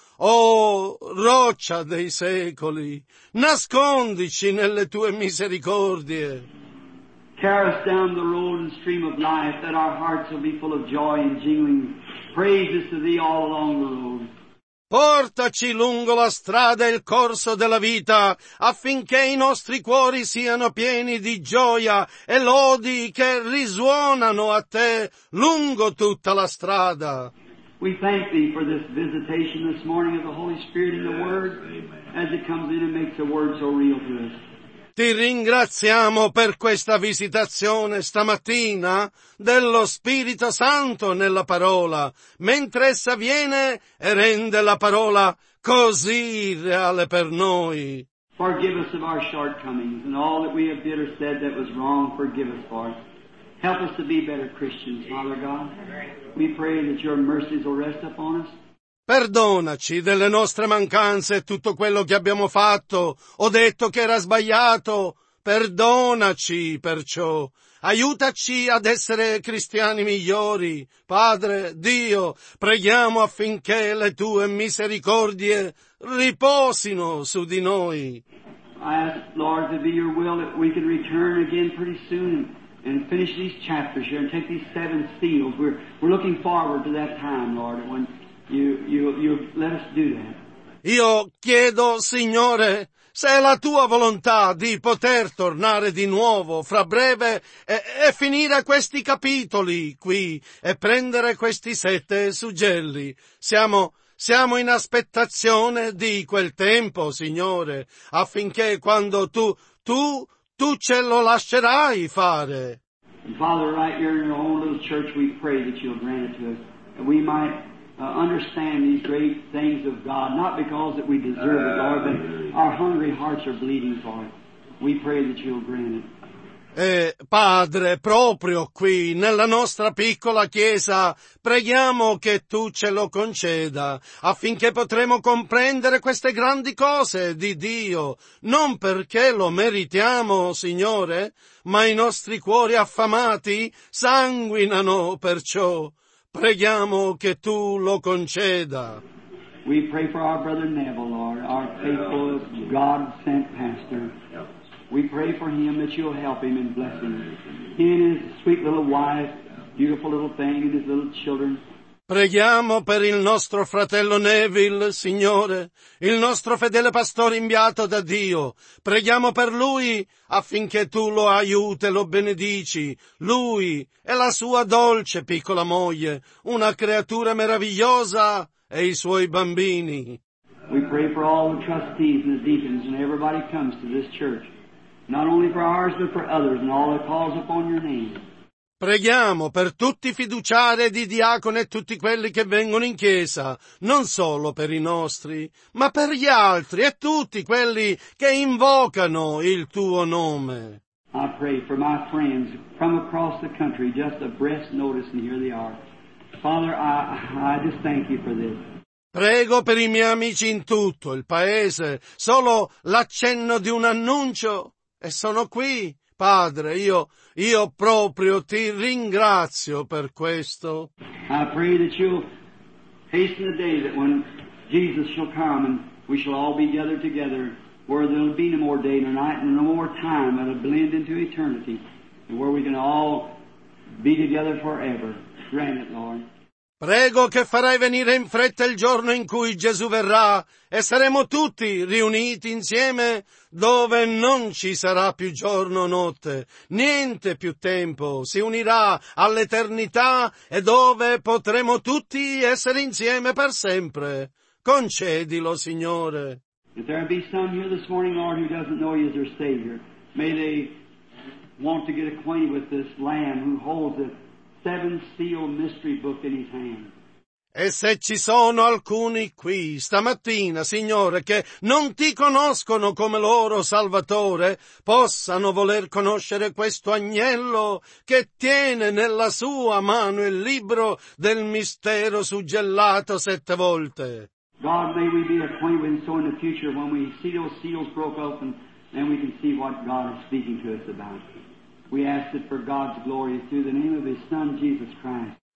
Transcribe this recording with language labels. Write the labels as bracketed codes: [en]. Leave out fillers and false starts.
[it] Oh, roccia dei secoli, nascondici nelle tue misericordie. [en] Carry us down the road and stream of life, that our hearts will be full of joy and jingling praises to thee all along the road. [it] Portaci lungo la strada e il corso della vita, affinché i nostri cuori siano pieni di gioia e lodi che risuonano a te lungo tutta la strada. [en] We thank thee for this visitation this morning of the Holy Spirit in the Word, as it comes in and makes the Word so real to us. [it] Ti ringraziamo per questa visitazione stamattina dello Spirito Santo nella parola, mentre essa viene e rende la parola così reale per noi. [en] Forgive us of our shortcomings and all that we have did or said that was wrong, forgive us for it. Help us to be better Christians, Father God. We pray that your mercies will rest upon us. [it] Perdonaci delle nostre mancanze e tutto quello che abbiamo fatto o detto che era sbagliato. Perdonaci perciò. Aiutaci ad essere cristiani migliori. Padre, Dio, preghiamo affinché le tue misericordie riposino su di noi. [en] I ask, Lord, to be your will that we can return again pretty soon and finish these chapters here and take these seven seals. We're looking forward to that time, Lord, when you let us do that. [it] Io chiedo, Signore, se è la tua volontà di poter tornare di nuovo fra breve e finire questi capitoli qui e prendere questi sette suggelli. Siamo in aspettazione di quel tempo, Signore, affinché quando tu ce lo lascerai fare. [en] And Father, right here in your own little church, we pray that you'll grant it to us, that we might understand these great things of God, not because that we deserve it, Lord, but our hungry hearts are bleeding for it. We pray that you'll grant it. [it] E Padre, proprio qui, nella nostra piccola chiesa, preghiamo che tu ce lo conceda, affinché potremo comprendere queste grandi cose di Dio, non perché lo meritiamo, Signore, ma i nostri cuori affamati sanguinano perciò. Preghiamo che tu lo conceda. [en] We pray for our brother Neville, Lord, our faithful God-sent pastor. We pray for him that you'll help him and bless him. He and his sweet little wife, beautiful little thing, and his little children. [it] Preghiamo per il nostro fratello Neville, Signore, il nostro fedele pastore inviato da Dio. Preghiamo per lui affinché tu lo aiuti e lo benedici. Lui e la sua dolce piccola moglie, una creatura meravigliosa, e i suoi bambini. [en] We pray for all the trustees and the deacons and everybody comes to this church. Not only for ours, but for others, and all that calls upon your name. [it] Preghiamo per tutti i fiduciari di diacone e tutti quelli che vengono in chiesa, non solo per i nostri, ma per gli altri e tutti quelli che invocano il tuo nome. [en] I pray for my friends from across the country, just a breath's notice, and here they are. Father, I just thank you for this. [it] Prego per i miei amici in tutto il paese, solo l'accenno di un annuncio, e sono qui. Padre, io proprio ti ringrazio per questo. [en] I pray that you'll hasten the day that when Jesus shall come and we shall all be gathered together, where there'll be no more day nor night and no more time, but it'll blend into eternity, and where we can all be together forever. Grant it, Lord. [it] Prego che farai venire in fretta il giorno in cui Gesù verrà e saremo tutti riuniti insieme dove non ci sarà più giorno o notte, niente più tempo, si unirà all'eternità e dove potremo tutti essere insieme per sempre. Concedilo, Signore. [en] If there be some here this morning, Lord, who doesn't know you as their Savior, may they want to get acquainted with this Lamb who holds it. Seven seal mystery book in his hand. [it] E se ci sono alcuni qui stamattina, Signore, che non ti conoscono come loro Salvatore, possano voler conoscere questo agnello che tiene nella sua mano il libro del mistero suggellato sette volte. [en] God, may we be acquainted with so in the future when we see those seals broke open, then we can see what God is speaking to us about. We ask it for God's glory through the name of His Son, Jesus Christ.